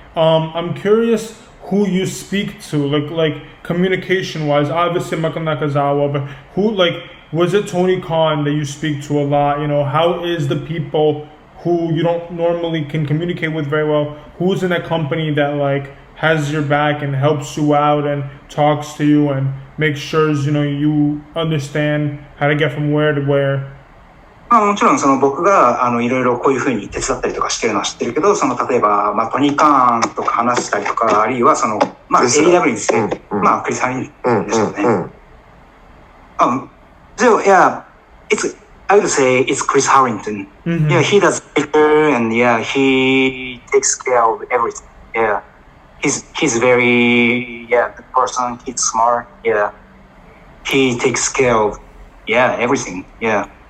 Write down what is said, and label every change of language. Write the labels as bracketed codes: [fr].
[en] I'm curious who you speak to, like communication-wise, obviously Michael Nakazawa, but who, like, was it Tony Khan that you speak to a lot? You know, how is the people who you don't normally can communicate with very well, who's in a company that, like, has your back and helps you out and talks to you and makes sure, you know, you understand how to get from where to where? [ja] まあ、もちろんその僕があのいろいろこういうふうに手伝ったりとかしてるのは知ってるけど、その例えばまあトニー・カーンとか話したりとか、あるいはそのまあ AW ですね、うんうん、まあクリス・ハインでしょうね。うん。 [en] So, yeah, it's, I would say it's Chris Harrington.、Mm-hmm. Yeah, he does better and yeah, he takes care of everything. Yeah, he's very, yeah, good person, he's smart, yeah. He takes care of, yeah, everything, yeah.